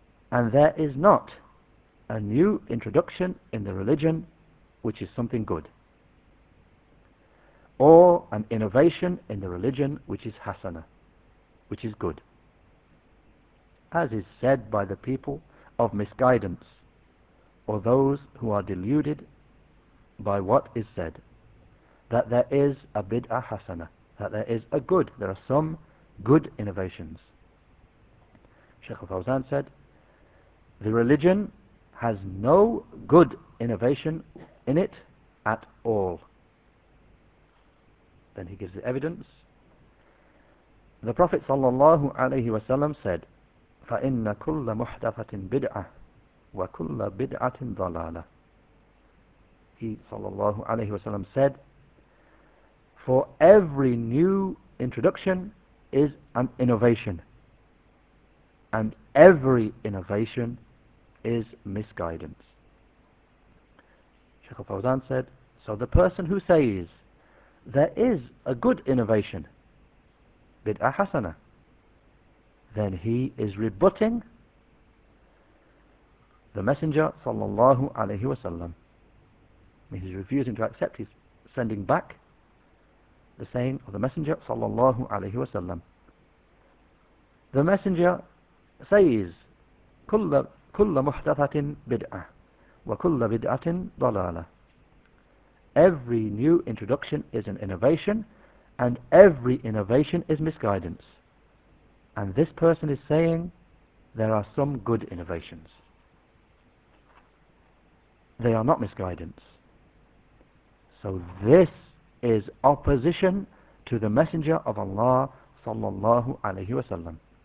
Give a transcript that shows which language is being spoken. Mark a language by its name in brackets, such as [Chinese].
[English] And there is not a new introduction in the religion which is something good, or an innovation in the religion which is hasana, which is good, as is said by the people of misguidance, or those who are deluded by what is said, that there is a bid'ah hasana, that there is a good, there are some good innovations. Sheikh Al-Fawzan said, the religion has no good innovation in it at all. Then he gives the evidence. The Prophet sallallahu alaihi wasallam said, [Arabic] فَإِنَّ كُلَّ مُحْدَثَةٍ بِدْعَةٍ وَكُلَّ بِدْعَةٍ ضَلَالَةٍ. [English] He sallallahu alaihi wasallam said, for every new introduction is an innovation, and every innovation is misguidance. Sheikh Al-Fawzan said, so the person who says there is a good innovation, bid'ah hasana, then he is rebutting the Messenger sallallahu alayhi wasallam. He's refusing to accept, he's sending back the saying of the Messenger sallallahu alayhi wasallam. The Messenger says, [Arabic] كُلَّ مُحْدَثَةٍ بِدْعَةٍ وَكُلَّ بِدْعَةٍ ضَلَالَةٍ. [English] Every new introduction is an innovation, and every innovation is misguidance. And this person is saying, there are some good innovations. They are not misguidance. So this is opposition to the Messenger of Allah sallallahu alayhi wasallam.